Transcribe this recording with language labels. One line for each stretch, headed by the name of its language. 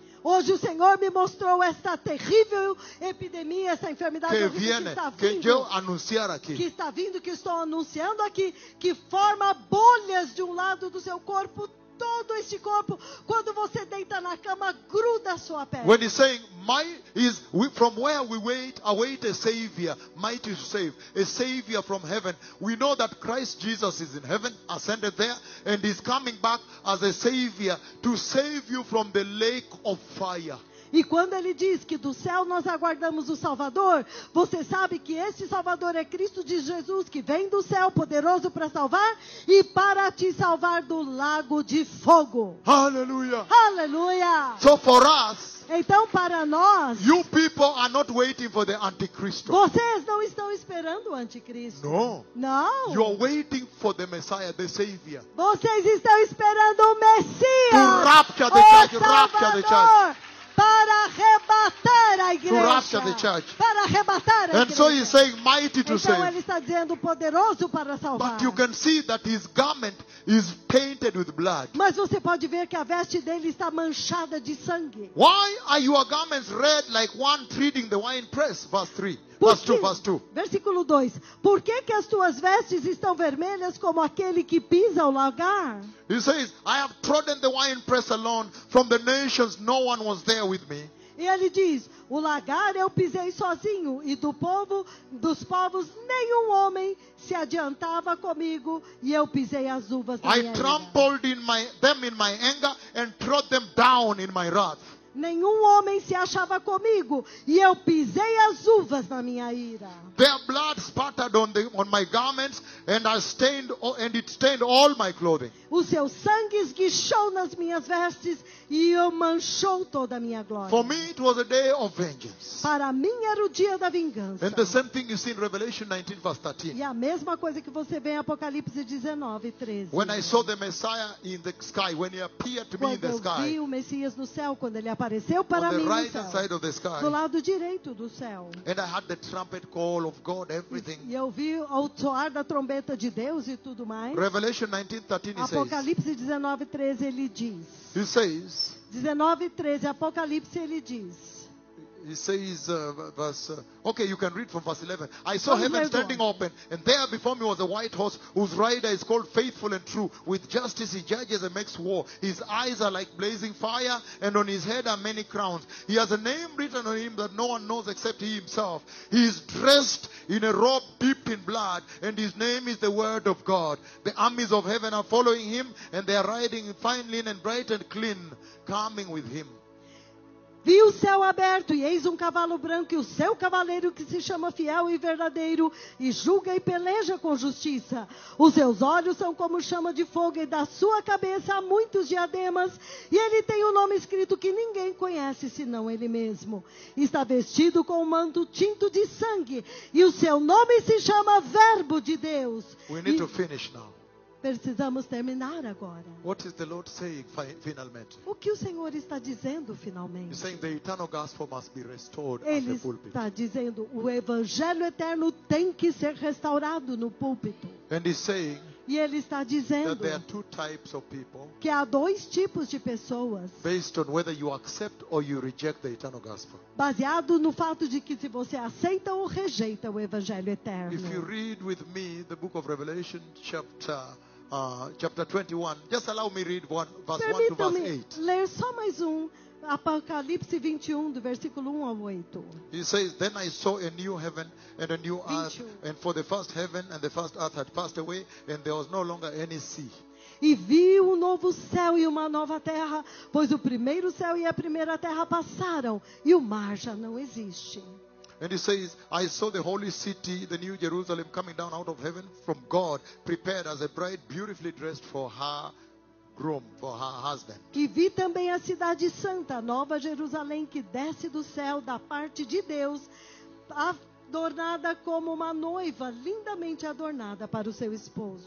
Portuguese: Hoje o Senhor me mostrou esta terrível epidemia, essa enfermidade que, está vindo, que estou anunciando aqui, que forma bolhas de um lado do seu corpo, todo este corpo. Quando você deita na cama, gruda a sua pele.
English: When he's saying, my is we, from where we wait, await a savior, mighty to save, a savior from heaven. We know that Christ Jesus is in heaven, ascended there, and is coming back as a savior to save you from the lake of fire.
Portuguese: E quando ele diz que do céu nós aguardamos o Salvador, você sabe que esse Salvador é Cristo de Jesus, que vem do céu, poderoso para salvar e para te salvar do lago de fogo. Aleluia! Aleluia!
English: So for us,
Portuguese: então para nós,
English: you people are not waiting for the Antichrist.
Portuguese: Vocês não estão esperando o Anticristo.
English: No.
Portuguese: Não.
English: You are waiting for the Messiah, the Savior.
Portuguese: Vocês estão esperando o Messias.
English: To rapture the church, rapture the church.
Portuguese: Para arrebatar a igreja.
English: To rapture the church.
Portuguese: Para arrebatar a
English: and
Portuguese: igreja.
English: And so he's saying mighty to
Portuguese: então
English: save.
Portuguese: Ele está dizendo poderoso para salvar.
English: But you can see that his garment is painted with blood.
Portuguese: Mas você pode ver que a veste dele está manchada de sangue.
English: Why are your garments red like one treading the wine press? Verse 3.
Portuguese: Versículo 2. Por que que as tuas vestes estão vermelhas como aquele que pisa o lagar?
English: He says, I have trodden the wine press alone from the nations, no one was there with me.
Portuguese: E ele diz, o lagar eu pisei sozinho e do povo, dos povos, nenhum homem se adiantava comigo e eu pisei as uvas da
English: I trampled in my, them in my anger and trod them down in my wrath.
Portuguese: Nenhum homem se achava comigo e eu pisei as uvas na minha ira.
English: Their blood spattered on my garments and I stained and it stained all my clothing.
Portuguese: O seu sangue esguichou nas minhas vestes e eu manchou toda a minha glória.
English: For me it was a day of vengeance.
Portuguese: Para mim era o dia da vingança.
English: And the same thing you see in Revelation 19 verse 13.
Portuguese: E a mesma coisa que você vê em Apocalipse 19, 13.
English: When I saw the Messiah in the sky, when he appeared to me in the sky.
Portuguese: Quando eu vi o Messias no céu, quando ele apareceu para mim
English: right
Portuguese: no céu,
English: sky,
Portuguese: do lado direito do céu.
English: And I heard the trumpet call of God, everything.
Portuguese: E eu vi o soar da trombeta de Deus e tudo mais.
English: Revelation 19:13 says.
Portuguese: Apocalipse 19:13 ele diz.
English: He says.
Portuguese: 19:13 Apocalipse ele diz.
English: He says, verse, you can read from verse 11. I saw heaven standing open, and there before me was a white horse whose rider is called Faithful and True. With justice he judges and makes war. His eyes are like blazing fire, and on his head are many crowns. He has a name written on him that no one knows except he himself. He is dressed in a robe dipped in blood, and his name is the Word of God. The armies of heaven are following him, and they are riding in fine linen, bright and clean, coming with him.
Portuguese: Vi o céu aberto, e eis um cavalo branco, e o seu cavaleiro que se chama Fiel e Verdadeiro, e julga e peleja com justiça. Os seus olhos são como chama de fogo, e da sua cabeça há muitos diademas, e ele tem um nome escrito que ninguém conhece, senão ele mesmo. Está vestido com um manto tinto de sangue, e o seu nome se chama Verbo de Deus.
English: We need to finish now.
Portuguese: Precisamos terminar agora.
English: What is the Lord saying finally?
Portuguese: O que o Senhor está dizendo finalmente?
English: He's saying the eternal gospel must be restored.
Portuguese: Ele
English: at the pulpit.
Portuguese: Está dizendo o evangelho eterno tem que ser restaurado no púlpito.
English: And he's saying,
Portuguese: e ele está dizendo
English: that there are two types of people,
Portuguese: que há dois tipos de pessoas,
English: based on whether you accept or you reject the eternal gospel.
Portuguese: Baseado no fato de que se você aceita ou rejeita o evangelho eterno.
English: If you read with me the book of Revelation chapter 21, just allow me read one, verse 1 to verse 8.
Portuguese: Ler só mais um Apocalipse 21, do versículo 1 ao 8.
English: He says, then I saw a new heaven and a new earth, and for the first heaven and the first earth had passed away, and there was no longer any sea.
Portuguese: E vi um novo céu e uma nova terra, pois o primeiro céu e a primeira terra passaram, e o mar já não existe.
English: And he says, I saw the holy city, the new Jerusalem, coming down out of heaven from God, prepared as a bride, beautifully dressed for her groom, for her husband.
Portuguese: E vi também a cidade santa, Nova Jerusalém, que desce do céu, da parte de Deus, adornada como uma noiva, lindamente adornada para o seu esposo.